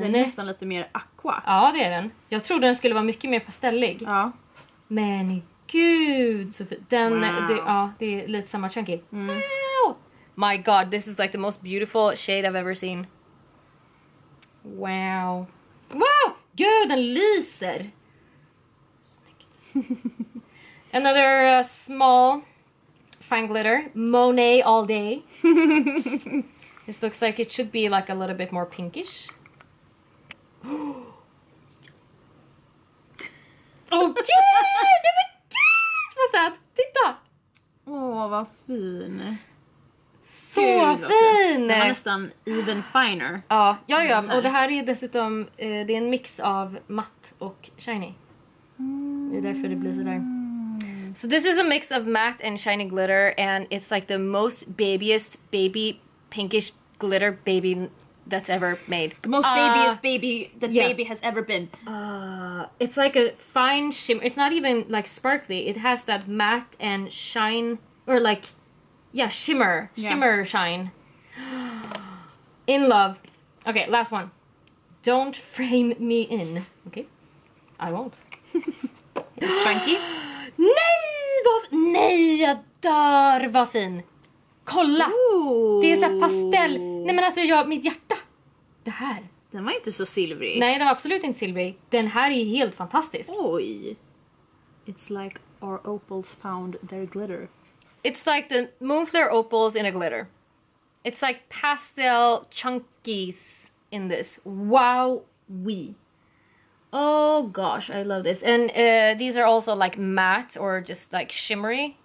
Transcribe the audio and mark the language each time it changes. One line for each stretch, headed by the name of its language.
Swedish: Den är nästan lite mer aqua. Ja, det är den. Jag trodde den skulle vara mycket mer pastellig. Ja. Men gud så fin. Den, wow. Det, ja, det är lite samma chunky. Mm. Wow.
English: My god, this is like the most beautiful shade I've ever seen.
Swedish: Wow. Wow, gud den lyser. Snyggt.
English: Another small fine glitter. Monet all day. This looks like it should be like a little bit more pinkish.
Swedish: Okej! Det var gud! Vad söt! Titta! Åh, oh, vad fin. Så gud, fin! Det var nästan
English: even finer.
Swedish: Ja, ja, ja. Och det här är dessutom det är en mix av matt och shiny. Det är därför det blir sådär.
English: So this is a mix of matte and shiny glitter, and it's like the most babyest baby pinkish glitter baby that's ever made. The most babyest baby that baby has ever been. It's like a fine shimmer. It's not even like sparkly. It has that matte and shine, or like, yeah, shimmer. Yeah. Shimmer shine. In love. Okay, last one. Don't frame me in. Okay. I won't. Chunky.
Swedish: Nej, vad nej, jag dör, vad fin. Kolla. Ooh. Det är så här pastell. Nej men alltså jag mitt hjärta. Det här. Den var inte så silvrig. Nej, den var absolut inte silvrig. Den här är ju helt fantastisk.
English: Oj. It's like our opals found their glitter. It's like the moonflower opals in a glitter. It's like pastel chunkies in this. Wow, we. Oh gosh, I love this. And these are also like matte or just like shimmery.